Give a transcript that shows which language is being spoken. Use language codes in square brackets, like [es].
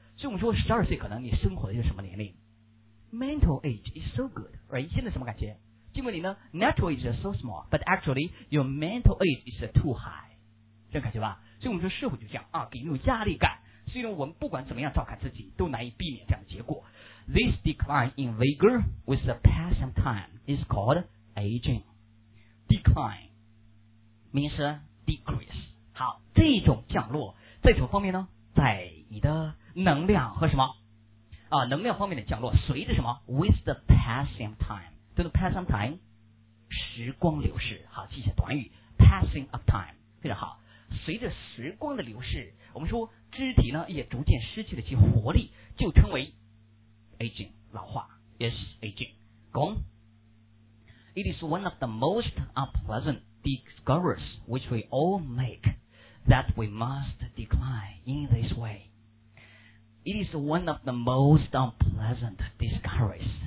[zh] 所以我们说12岁可能你生活的是什么年龄 ？ [en] Mental age is so good， [zh] 哎，现在什么感觉？因为你呢 [en] natural age is so small， but actually your mental age is too high， [zh] 这感觉吧。所以我们说社会就这样啊，给你有压力感，所以我们不管怎么样照看自己都难以避免这样的结果。 [en] This decline in vigor with the pass of time is called aging。 Decline means decrease。 [zh] 好，这种降落在什么方面呢？在你的能量和什么啊，能量方面的降落，随着什么 [en] with the pass of timeThe passing time， [zh] 时光流逝。好，记下短语 [en] passing of time， [zh] 非常好。随着时光的流逝，我们说肢体呢也逐渐失去了其活力，就称为 aging， 老化。 [en] Yes， aging。 Go on。 It is one of the most unpleasant discoveries which we all make that we must decline in this way。 It is one of the most unpleasant discoveries。